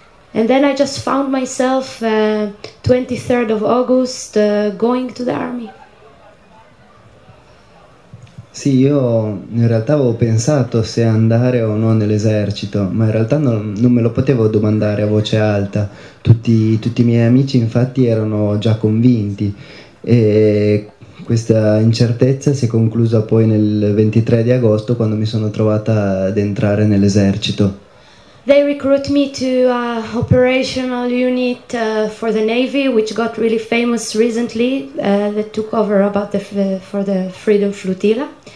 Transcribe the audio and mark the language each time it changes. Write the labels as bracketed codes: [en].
[en] And then I just found myself 23rd of August going to the army. [it] Sì, io in realtà avevo pensato se andare o no nell'esercito, ma in realtà non me lo potevo domandare a voce alta. Tutti i miei amici infatti erano già convinti, e questa incertezza si è conclusa poi nel 23 di agosto, quando mi sono trovata ad entrare nell'esercito. [en] They recruit me to an operational unit for the Navy, which got really famous recently, that took over about for the Freedom Flotilla.